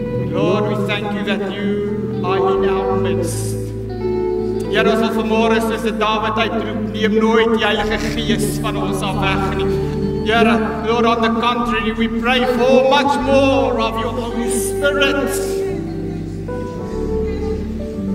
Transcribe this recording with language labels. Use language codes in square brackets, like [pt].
[en] Lord, we thank you that you are in our midst. [af] Heer, ons wil vanmorgen soos die David uitroep, neem nooit die Heilige Gees van ons af weg nie. [en] Heer, Lord, on the contrary, we pray for much more of your Holy Spirit.